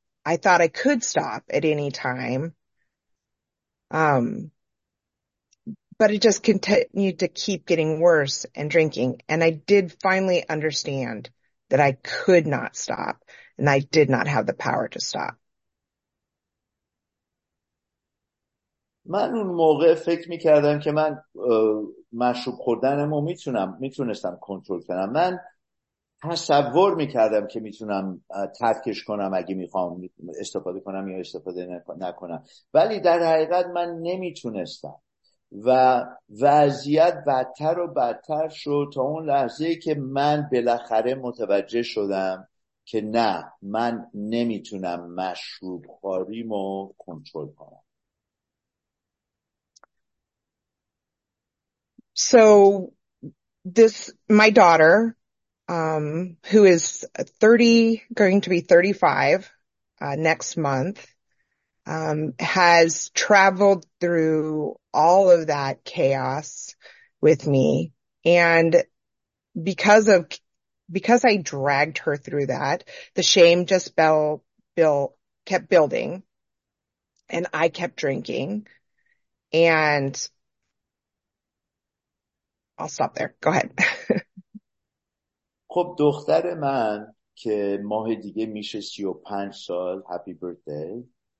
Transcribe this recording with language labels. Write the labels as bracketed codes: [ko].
[en] I thought I could stop at any time. But it just continued to keep getting worse and drinking. And I did finally understand that I could not stop and I did not have the power to stop. [fa] من اون موقع فکر میکردم که من مشروب خوردنم رو میتونستم کنترل کنم. من تصور میکردم که میتونم ترکش کنم اگه میخوام استفاده کنم یا استفاده نکنم، ولی در حقیقت من نمیتونستم و وضعیت بدتر و بدتر شد تا اون لحظه که من بالاخره متوجه شدم که نه، من نمیتونم مشروب خوریم رو کنترل کنم. [en] So this, my daughter, who is 30, going to be 35 next month, has traveled through all of that chaos with me. And because I dragged her through that, the shame just kept building and I kept drinking and I'll stop there. Go ahead. [fa] خب دختر من که ماه دیگه میشه 35 سال، [en] Happy birthday.